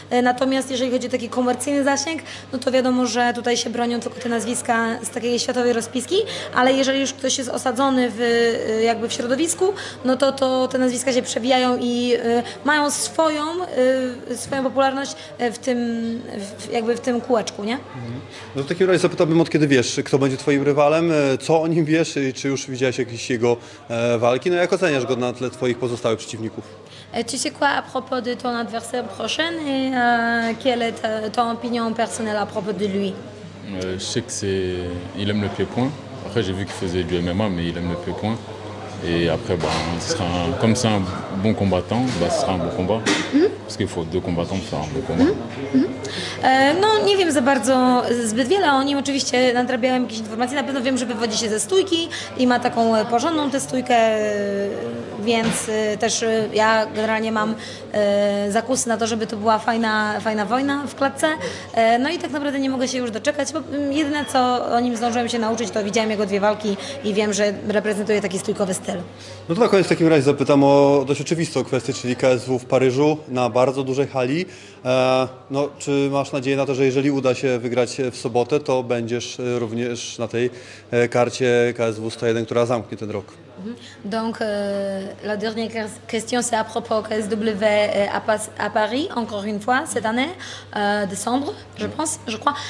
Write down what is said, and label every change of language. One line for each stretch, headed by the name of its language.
Polish: Natomiast jeżeli chodzi o taki komercyjny zasięg, no to wiadomo, że tutaj się bronią tylko te nazwiska z takiej światowej rozpiski, ale jeżeli już ktoś jest osadzony jakby w środowisku, no to te nazwiska się przewijają i mają swoją popularność w tym kółeczku, nie? No w takim razie zapytałbym, od kiedy wiesz, kto będzie twoim rywalem, co o nim wiesz i czy już widziałeś jakieś jego walki, no jak oceniasz go na tle twoich pozostałych przeciwników?
French: Tu sais quoi à propos de ton adversaire prochain et quelle est ton opinion personnelle à propos de lui? Je sais que c'est il aime le pied point. Après j'ai vu qu'il faisait du MMA mais il aime le pied point et après comme c'est un bon combattant, ce sera un bon combat. Parce qu'il faut deux combattants pour faire un bon combat.
Polish: No nie wiem za bardzo zbyt wiele o nim, oczywiście nadrabiałem jakieś informacje, na pewno wiem, że wywodzi się ze stójki i ma taką porządną tę stójkę, więc też ja generalnie mam zakusy na to, żeby to była fajna wojna w klatce, no i tak naprawdę nie mogę się już doczekać, bo jedyne co o nim zdążyłem się nauczyć, to widziałem jego dwie walki i wiem, że reprezentuje taki stójkowy styl. No to na koniec w takim razie zapytam o dość oczywistą kwestię, czyli KSW w Paryżu na bardzo dużej hali. No, czy masz nadzieję na to, że jeżeli uda się wygrać w sobotę, to będziesz również na tej karcie KSW 101, która zamknie ten rok?
French: Donc, la dernière question, c'est à propos de KSW à Paris, encore une fois, cette année, décembre, je pense, je crois.